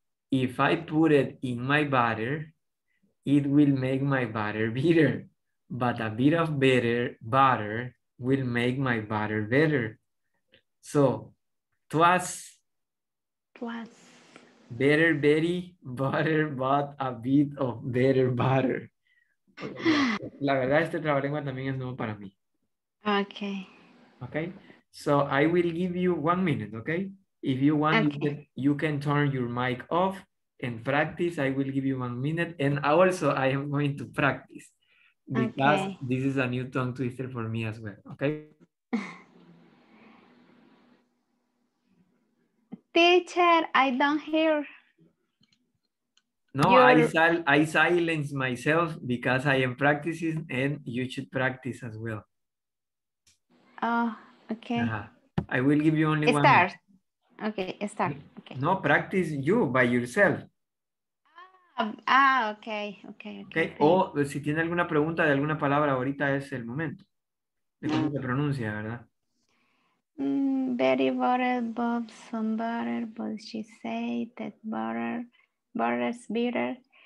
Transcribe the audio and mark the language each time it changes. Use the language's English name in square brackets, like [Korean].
[English] If I put it in my butter, it will make my butter bitter. But a bit of butter will make my butter better. So, twas. Better berry, butter, but a bit of better butter. [Spanish] La verdad, este trabalengua también es nuevo para mí. [English] Okay. Okay. So, I will give you 1 minute, okay? If you want, okay. You can turn your mic off and practice. I will give you 1 minute. And also, I am going to practice. Because okay. This is a new tongue twister for me as well, okay? Teacher, I don't hear. No, I silence myself because I am practicing and you should practice as well. Oh, okay. Uh-huh. I will give you only start. Start. Okay, start. Okay. No, practice you by yourself. Okay. [Spanish] O si tiene alguna pregunta de alguna palabra, ahorita es el momento. De cómo se pronuncia, ¿verdad? [English] Very butter, but some butter, but she say that butter's bitter.